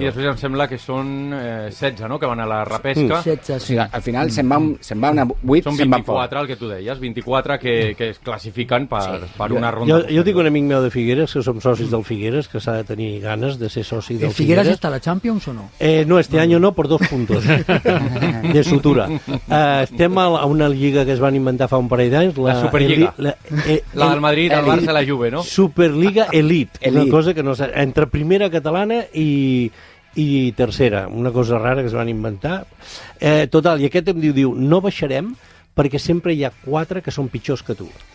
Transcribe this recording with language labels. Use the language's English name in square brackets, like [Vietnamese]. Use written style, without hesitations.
[Catalan] I després em sembla que són 16, no?, que van a la repesca. 16, sí. O sigui, al final se'n van a 8, se'n van fort. Són 24, el que tu deies, 24 que es classifiquen per una ronda. Jo tinc un amic meu de Figueres, que som socis del Figueres, que s'ha de tenir ganes de ser soci del Figueres. ¿Figueres està a la Champions o no? [Spanish] No, este año no, por 2 puntos de sutura. [Catalan] Estem a una lliga que es van inventar fa un parell d'anys. La Superliga. La del Madrid, el Barça, la Juve, no? Superliga Elite. Una cosa que no saps, entre primera catalana i tercera, una cosa rara que es van inventar. Total, i aquest em diu, no baixarem perquè sempre hi ha 4 que són pitjors que tu.